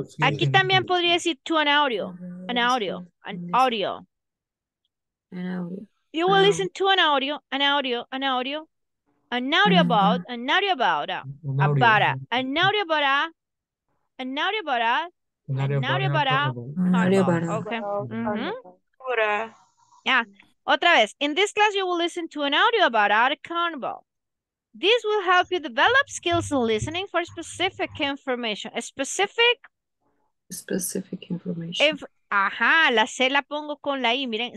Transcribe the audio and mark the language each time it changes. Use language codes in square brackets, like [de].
[es] Aquí también podría decir [en] to an audio, an audio, an audio. You will listen to an audio, an audio, an audio, an audio about, a, about a, an audio about a, an audio about a, an audio about a, okay. Yeah, [es] otra vez. [en] In this class, you will listen to an audio about a carnival. This will help you develop skills in listening for specific information. Specific information. [es] Ajá, la C la pongo con la I, miren.